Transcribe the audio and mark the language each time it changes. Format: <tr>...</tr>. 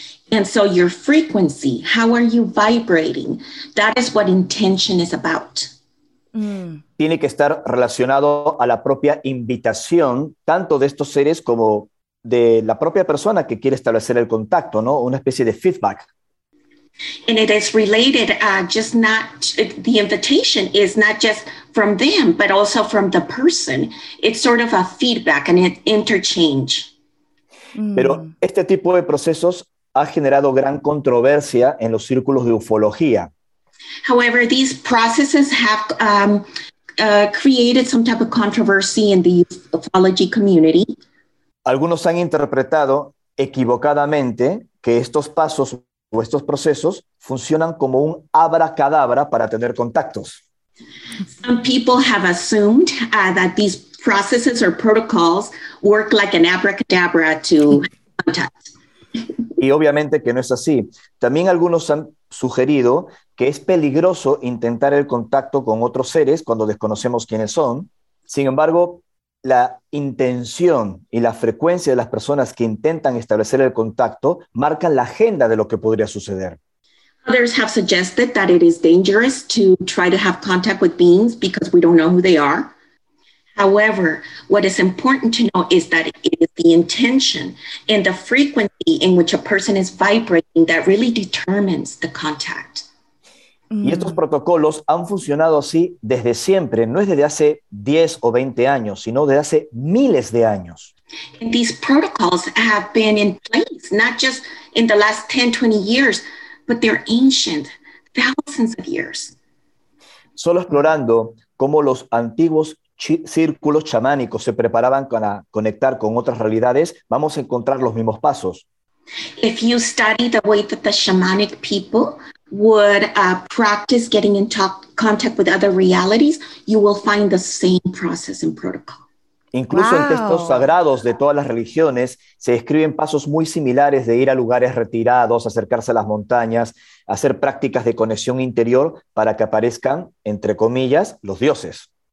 <en>And so your frequency, how are you vibrating? That is what intention is about.</en> <es>Tiene que estar relacionado a la propia invitación, tanto de estos seres como de la propia persona que quiere establecer el contacto, ¿no? Una especie de feedback.</es> <en>And it is related, just not, the invitation is not just from them, but also from the person. It's sort of a feedback, an interchange.</en> <es>Pero este tipo de procesos ha generado gran controversia en los círculos de ufología.</es> <en>However, these processes have created some type of controversy in the ufology community.</en> <es>Algunos han interpretado equivocadamente que estos pasos o estos procesos funcionan como un abracadabra para tener contactos.</es> <en>Some people have assumed that these processes or protocols work like an abracadabra to contact.</en> <es>Y obviamente que no es así. También algunos han sugerido que es peligroso intentar el contacto con otros seres cuando desconocemos quiénes son. Sin embargo, la intención y la frecuencia de las personas que intentan establecer el contacto marcan la agenda de lo que podría suceder.</es> <en>Others have suggested that it is dangerous to try to have contact with beings because we don't know who they are. However, what is important to know is that it is the intention and the frequency in which a person is vibrating that really determines the contact.</en> <es>Y estos protocolos han funcionado así desde siempre, no es desde hace 10 o 20 años, sino desde hace miles de años.</es> <en>And these protocols have been in place, not just in the last 10, 20 years, but they're ancient, thousands of years.</en> <es>Solo explorando cómo los antiguos círculos chamánicos se preparaban para conectar con otras realidades, vamos a encontrar los mismos pasos.</es> <en>If you study the way that the shamanic people would practice getting in contact with other realities, you will find the same process and protocol.</en> <es>Incluso en textos sagrados de todas las religiones se describen pasos muy similares de ir a lugares retirados, acercarse a las montañas, hacer prácticas de conexión interior para que aparezcan, entre comillas, los dioses.</es>